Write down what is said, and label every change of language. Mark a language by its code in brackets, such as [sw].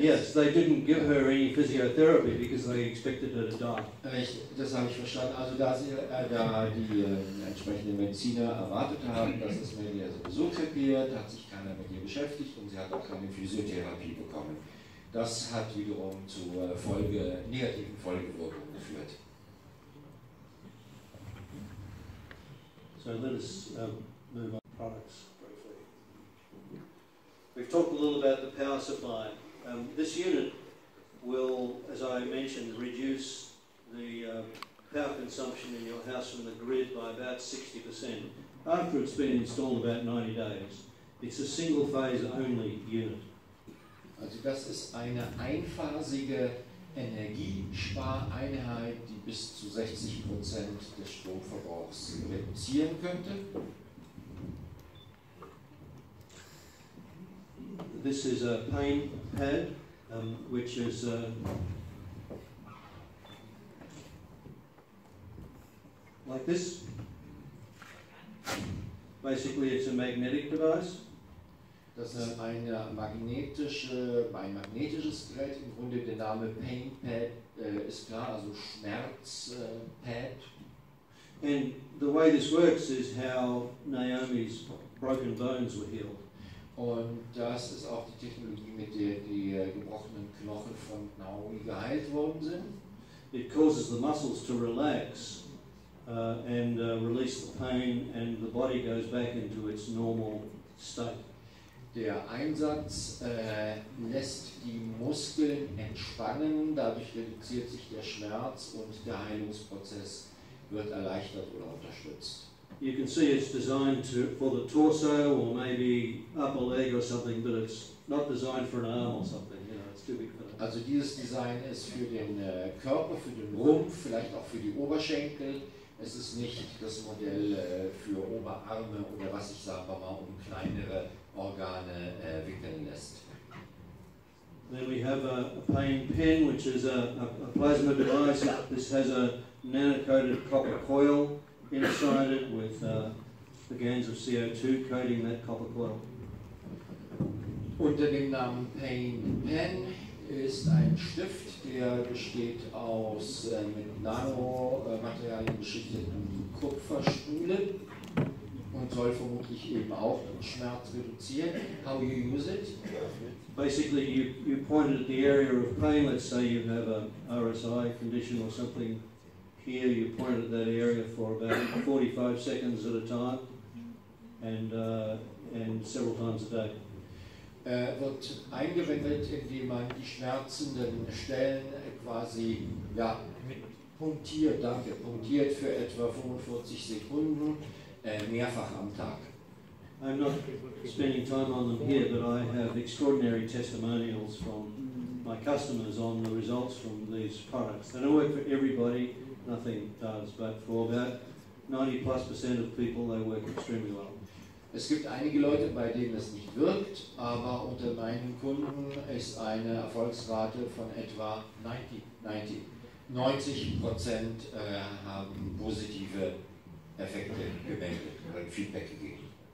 [en] Yes, they didn't give her any physiotherapy because they expected her to die. [de] Das habe ich verstanden. Also da sie da die entsprechenden Mediziner erwartet haben, dass das Mädchen ja sowieso krepiert, hat sich keiner mit ihr beschäftigt und sie hat auch keine Physiotherapie bekommen. Das hat wiederum zu negativen Folgewirkungen geführt. [en] So let us move on to products briefly. We've talked a little about the power supply. This unit will, as I mentioned, reduce the power consumption in your house from the grid by about 60% after it's been installed about 90 days. It's a single phase only unit. [de] Also das ist eine einphasige Energiespareinheit, die bis zu 60% des Stromverbrauchs reduzieren könnte. [en] This is a pain pad, which is a like this. Basically, it's a magnetic device. [de] Das ist ein magnetisches Gerät, im Grunde der Name Pain Pad ist klar, also Schmerz Pad. [en] And the way this works is how Naomi's broken bones were healed. [de] Und das ist auch die Technologie, mit der die gebrochenen Knochen von Naomi geheilt worden sind. [en] It causes the muscles to relax and release the pain and the body goes back into its normal state. [de] Der Einsatz lässt die Muskeln entspannen, dadurch reduziert sich der Schmerz und der Heilungsprozess wird erleichtert oder unterstützt. [en] You can see it's designed for the torso or maybe upper leg or something, but it's not designed for an arm or something. You know, it's too big for that. [de] Also dieses Design ist für den Körper, für den Rumpf, vielleicht auch für die Oberschenkel. Es ist nicht das Modell für Oberarme oder was ich sage, aber um kleinere Organe wickeln lässt. [en] Then we have a pain pen, which is a plasma device. This has a nano-coated copper coil inside it with the GANs of CO2 coating that copper coil. [de] Unter dem Namen Pain Pen ist ein Stift, der besteht aus mit Nanomaterialien beschichteten Kupferspulen. Und soll vermutlich eben auch den Schmerz reduzieren. [en] How you use it? Basically, you point it at the area of pain. Let's say you have a RSI condition or something here. You point it at that area for about 45 seconds at a time and several times a day. [de] Wird eingewendet, indem man die schmerzenden Stellen quasi, ja, punktiert. Danke, punktiert für etwa 45 Sekunden. Mehrfach am Tag. [en] I'm not spending time on them here, but I have extraordinary testimonials from my customers on the results from these products. They don't work for everybody, nothing does, but for about 90%+ of people, they work extremely well. [de] Es gibt einige Leute, bei denen es nicht wirkt, aber unter meinen Kunden ist eine Erfolgsrate von etwa 90% haben positive Effekte gemeldet oder Feedback gegeben.